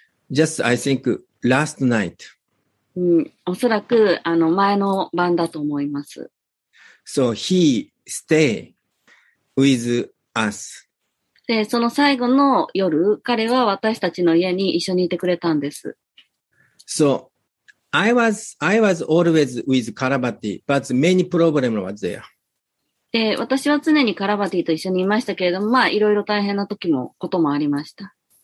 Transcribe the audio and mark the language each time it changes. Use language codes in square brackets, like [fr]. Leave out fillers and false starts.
[en] Just, I think, last night. [ja] うん、おそらく、前の晩だと思います。 [en] So he stay with us. [ja] で、その最後の夜、彼は私たちの家に一緒にいてくれたんです。 [en] So, I was always with Karabati, but many problems was there. [ja] で、私は常にカラバティと一緒にいましたけれども、まあ、いろいろ大変な時も、こともありました。